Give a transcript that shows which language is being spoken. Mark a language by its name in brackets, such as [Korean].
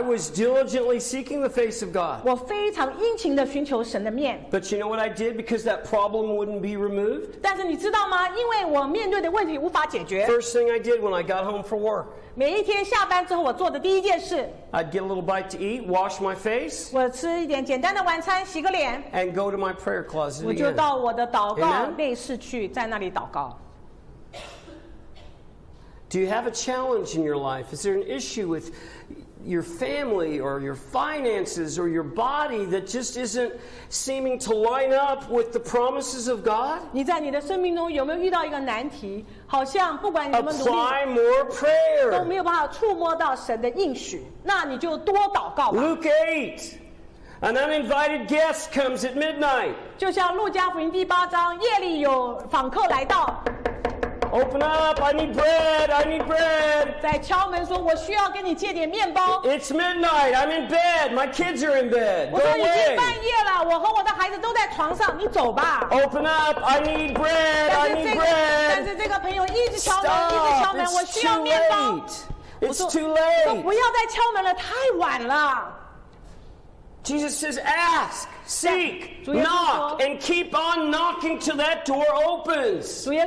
[English] was diligently seeking the face of God. [Chinese] 我非常殷勤的寻求神的面。But [English] you know what I did because that problem wouldn't be removed. [Chinese] 但是你知道吗？因为我面对的问题无法解决。First [English] thing I did when I got home from work. [Chinese] 每一天下班之后，我做的第一件事。 [English] I'd get a little bite to eat, wash my face. [Chinese] 我吃一点简单的晚餐，洗个脸。 [English] And go to my prayer closet. [Chinese] 我就到我的祷告内室去，在那里祷告。 [English] Do you have a challenge in your life? Is there an issue with your family or your finances or your body that just isn't seeming to line up with the promises of God? [Chinese] 你在你的生命中有没有遇到一个难题？ [English] Apply more prayer. [Chinese] 都没有办法触摸到神的应许，那你就多祷告吧。 [English] Luke 8, an uninvited guest comes at midnight. [Chinese] 就像路加福音第八章，夜里有访客来到。 [English] Open up, I need bread, I need bread. [Chinese] 在敲门说，我需要跟你借点面包。 [English] It's midnight, I'm in bed, my kids are in bed. [Chinese] 我说已经半夜了，我和我的孩子都在床上，你走吧。 [English] Open up, I need bread, I need bread. [Chinese] 但是这个朋友一直敲门，一直敲门，我需要面包。 [English] It's too late. [Chinese] 不要再敲门了，太晚了。 [English] Jesus says, ask, seek, knock, and keep on knocking till that door opens.